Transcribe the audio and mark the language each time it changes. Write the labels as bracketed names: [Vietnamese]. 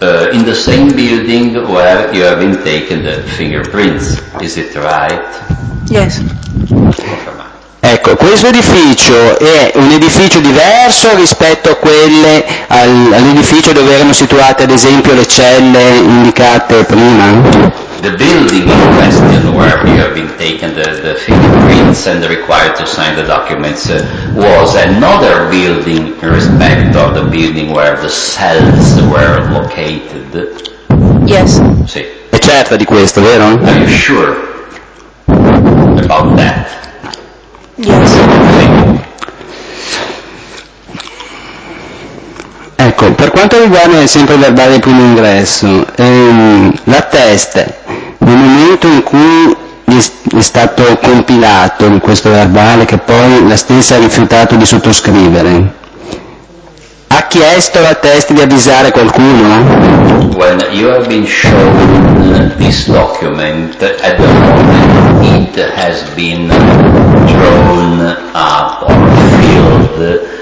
[English] In the same building where you have been taken the fingerprints, is it right? Yes. [Italian] Ecco, questo edificio è un edificio diverso rispetto a quelle all'edificio dove erano situate ad esempio le celle indicate prima? [English] The building in question where you have been taken the fingerprints and required to sign the documents was another building in respect of the building where the cells were located. Yes. [Italian] Sì. È certa di questo, vero? [English] Are you sure about that? Yes. [Italian] Ecco, per quanto riguarda sempre il verbale di primo ingresso, la teste, nel momento in cui è stato compilato questo verbale che poi la stessa ha rifiutato di sottoscrivere, ha chiesto la teste di avvisare qualcuno? [English] When you have been shown this document, at the moment it has been drawn up or filled,